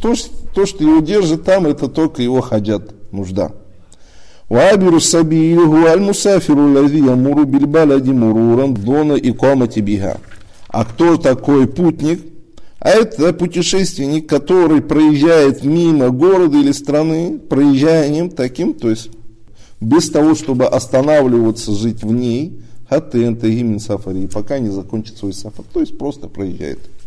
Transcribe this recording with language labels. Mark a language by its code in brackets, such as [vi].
[ru] То, что его держит там, это только его хаджат, нужда. [ar] وعابر السبيل هو المسافر الذي يمر بالبلد مرورا دون إقامة بها. [ru] А кто такой путник? А это путешественник, который проезжает мимо города или страны, проезжанием таким, то есть без того, чтобы останавливаться, жить в ней, [ar] хатэнта гимин сафари, [ru] пока не закончит свой сафар, то есть просто проезжает.